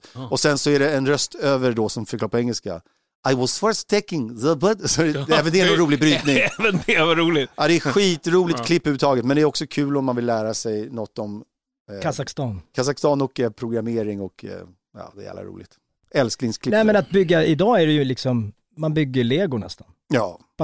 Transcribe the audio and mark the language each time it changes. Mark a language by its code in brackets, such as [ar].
[sv] Och sen så är det en röst över då som förklarar på engelska. [en] I was first taking the bud. [sv] Även det är en rolig brytning. Även det var roligt. Ja, det är skitroligt klipp uttaget. Men det är också kul om man vill lära sig något om Kazakstan. Kazakstan och programmering och ja, det är jävla roligt. Älsklingsklipp. Nej, men att bygga, idag är det ju liksom, man bygger Lego nästan. Ja.